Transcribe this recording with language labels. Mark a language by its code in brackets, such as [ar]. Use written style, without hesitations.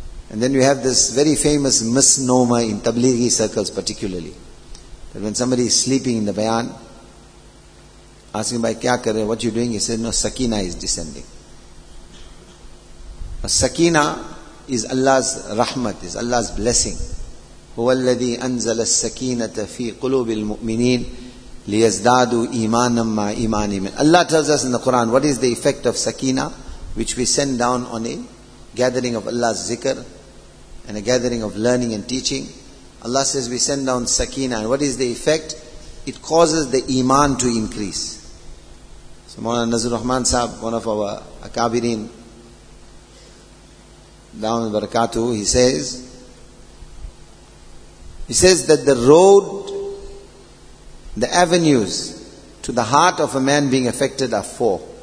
[en] And then you have this very famous misnomer in Tablighi circles particularly. That when somebody is sleeping in the bayan, asking by [ur] kya kare, [en] what you're doing, he says, no, sakina is descending. A sakina is Allah's rahmat, is Allah's blessing. [ar] هو الذي أنزل السكينة في قلوب المؤمنين لِيَزْدَادُوا إِيمَانًا مَا إِيمَانِهِمْ. [en] Allah tells us in the Quran, what is the effect of sakina, which we send down on a gathering of Allah's zikr and a gathering of learning and teaching. Allah says we send down sakina, and what is the effect? It causes the iman to increase. So Mawlana Nazrul Rahman Sahib, one of our akabirin, down in Barakatu, he says that the road, the avenues to the heart of a man being affected are four.